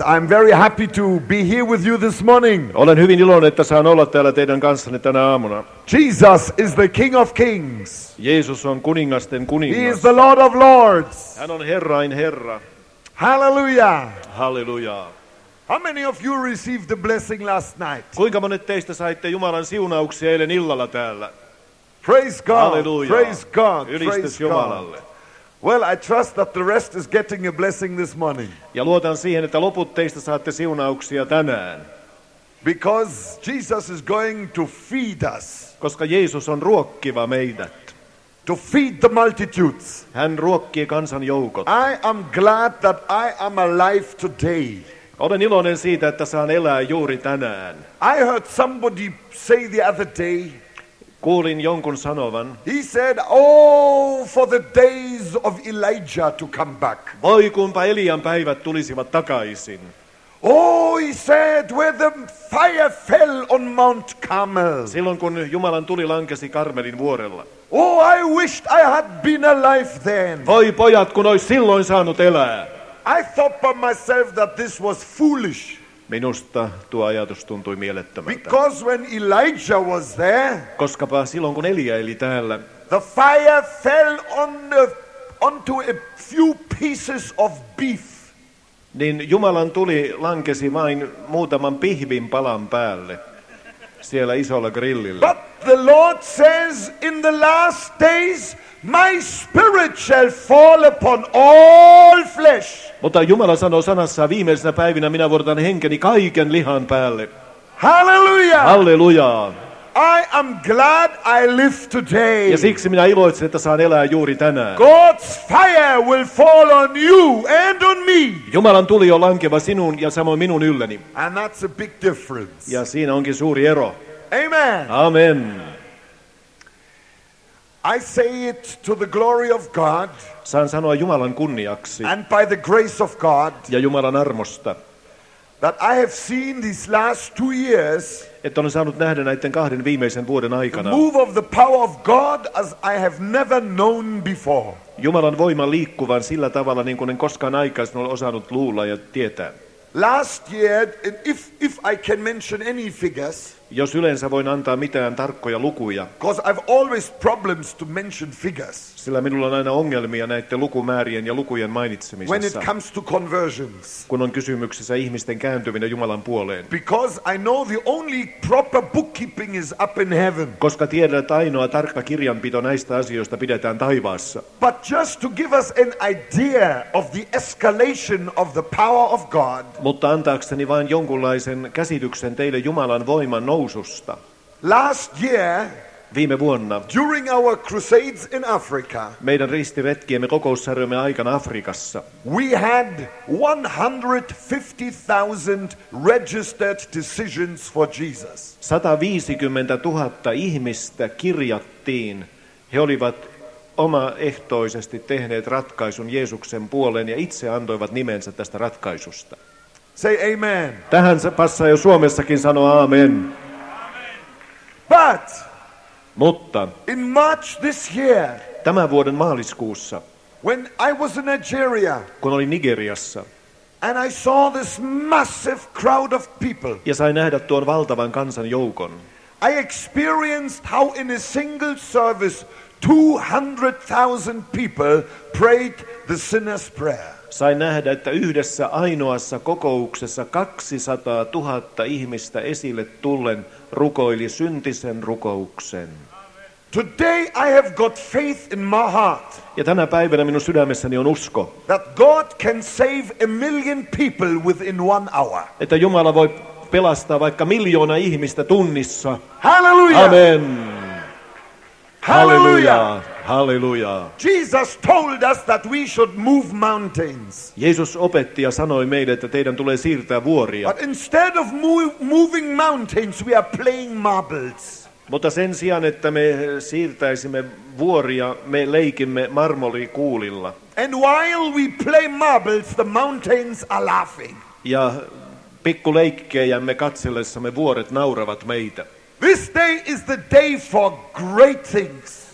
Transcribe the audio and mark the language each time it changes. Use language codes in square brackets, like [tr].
[en] I'm very happy to be here with you this morning. [fi] Olen hyvin iloinen, että saan olla täällä teidän kanssanne tänä aamuna. [en] Jesus is the King of Kings. [fi] Jeesus on kuningasten kuningas. [en] He is the Lord of Lords. [fi] Hän on Herrain Herra. [en] Hallelujah. [fi] Hallelujah. [en] How many of you received the blessing last night? [fi] Kuinka monet teistä saitte Jumalan siunauksia eilen illalla täällä? [en] Praise God. [fi] Hallelujah. [en] Praise God. [fi] Ylistys Jumalalle. [en] Well, I trust that the rest is getting a blessing this morning. [fi] Ja luotan siihen, että loput teistä saatte siunauksia tänään. [en] Because Jesus is going to feed us. [fi] Koska Jeesus on ruokkiva meidät. [en] To feed the multitudes. [fi] Hän ruokkii kansan joukot. [en] I am glad that I am alive today. [fi] Olen iloinen siitä, että saan elää juuri tänään. [en] I heard somebody say the other day. [fi] Kuulin jonkun sanovan. [en] He said, "Oh, for the days of Elijah to come back." [fi] Voi kunpa Elian päivät tulisivat takaisin. [en] Oh, he said, "Where the fire fell on Mount Carmel." [fi] Silloin kun Jumalan tuli lankesi Karmelin vuorella. [en] Oh, I wished I had been alive then. [fi] Voi pojat, kun olisi silloin saanut elää. [en] I thought by myself that this was foolish. [fi] Minusta tuo ajatus tuntui mielettömältä. [en] Because when Elijah was there, [fi] koskapa silloin kun Elia eli täällä, [en] the fire fell onto a few pieces of beef. [fi] Niin Jumalan tuli lankesi vain muutaman pihvin palan päälle siellä isolla grillillä. [en] But the Lord says, in the last days, my spirit shall fall upon all flesh. [fi] Mutta Jumala sanoo sanassaan, viimeisenä päivinä minä vuodatan henkeni kaiken lihan päälle. [en] Hallelujah! [fi] Hallelujah! [en] I am glad I live today. [fi] Ja siksi minä iloitsen, että saan elää juuri tänään. [en] God's fire will fall on you and on me. [fi] Jumalan tuli on lankeva sinun ja samoin minun ylläni. [en] And that's a big difference. [fi] Ja siinä onkin suuri ero. [en] Amen. [fi] Amen. [en] I say it to the glory of God. [fi] Saan sanoa Jumalan kunniaksi. [en] And by the grace of God. [fi] Ja Jumalan armosta. [en] That I have seen these last 2 years. [fi] Että olen saanut nähdä näiden kahden viimeisen vuoden aikana. [en] The move of the power of God as I have never known before. [fi] Jumalan voima liikkuvan sillä tavalla niin kuin en koskaan aikaisemmin ole osannut luulla ja tietää. [en] Last year, if I can mention any figures. [fi] Jos yleensä voin antaa mitään tarkkoja lukuja. [en] Because I've always problems to mention figures. [fi] Sillä minulla on aina ongelmia näiden lukumäärien ja lukujen mainitsemisessa. [en] When it comes to conversions. [fi] Kun on kysymyksessä ihmisten kääntyminen Jumalan puoleen. [en] Because I know the only proper bookkeeping is up in heaven. [fi] Koska tiedän, että ainoa tarkka kirjanpito näistä asioista pidetään taivaassa. [en] But just to give us an idea of the escalation of the power of God. [fi] Mutta antaakseni vain jonkunlaisen käsityksen teille Jumalan voiman noususta. [en] Last year, [fi] viime vuonna, [en] during our crusades in Africa, [fi] meidän ristiretkiemme kokoussarjamme aikana Afrikassa, [en] we had 150,000 registered decisions for Jesus. [fi] 150 000 ihmistä kirjattiin. He olivat omaehtoisesti tehneet ratkaisun Jeesuksen puoleen ja itse antoivat nimensä tästä ratkaisusta. [en] Say amen. [fi] Tähän se passaa jo Suomessakin sanoa aamen. [en] But [fi] mutta [en] in March this year, [fi] tämän vuoden maaliskuussa, [en] when I was in Nigeria, [fi] kun olin Nigeriassa, [en] and I saw this massive crowd of people, [fi] ja sain nähdä tuon valtavan kansan joukon, [en] I experienced how in a single service 200,000 people prayed the sinner's prayer. [fi] Sain nähdä, että yhdessä ainoassa kokouksessa 200 000 ihmistä esille tullen rukoili syntisen rukouksen. [en] Today I have got faith in my heart. [fi] Ja tänä päivänä minun sydämessäni on usko. [en] That God can save a million people within 1 hour. [fi] Että Jumala voi pelastaa vaikka miljoona ihmistä tunnissa. [en] Hallelujah. [fi] Amen. [en] Hallelujah. [fi] Hallelujah. [en] Jesus told us that we should move mountains. [fi] Jeesus opetti ja sanoi meille, että teidän tulee siirtää vuoria. [en] But instead of moving mountains, we are playing marbles. [fi] Mutta sen sijaan, että me siirtäisimme vuoria, me leikimme marmorikuulilla. [en] And while we play marbles, the mountains are laughing. [fi] Ja pikkuleikkejämme katsellessamme vuoret nauravat meitä. [en] This day is the day for great things.